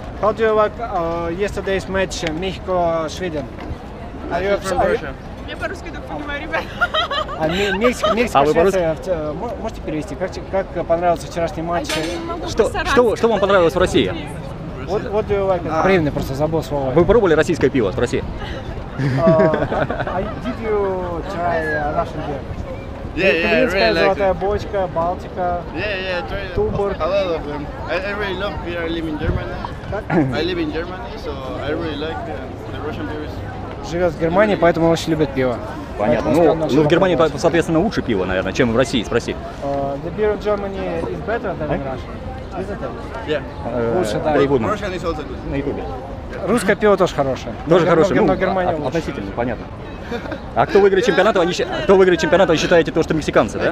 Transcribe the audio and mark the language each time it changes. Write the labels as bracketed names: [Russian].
[English] How do you like yesterday's match, Mexico Sweden? Are you from Russia? [Russian] Я по-русски так понимаю, ребят. Мексика, Швеция. Можете перевести? Как понравился вчерашний матч? Я не могу постараться. Что вам понравилось в России? [English] What do you like? [Russian] Временно просто забыл слово. Вы пробовали российское пиво в России? [English] Did you try Russian beer? Yeah, I really like it. Бочка, Балтика, Туборг. A lot of them. I really love beer. I live in Germany, so I really like the Russian beer. [Russian] Живет в Германии, поэтому очень любит пиво. Понятно. Ну, в Германии, соответственно, лучше пиво, наверное, чем в России, спроси. [English] The beer of Germany is better than in Russia. Is it? Yeah. [Russian] Лучше, да. [English] Russian is also good. [Russian] На Ютубе. Русское пиво тоже хорошее. Тоже хорошее. Но Германия лучше. Относительно, понятно. А кто выиграет чемпионат, вы считаете то, что мексиканцы, да?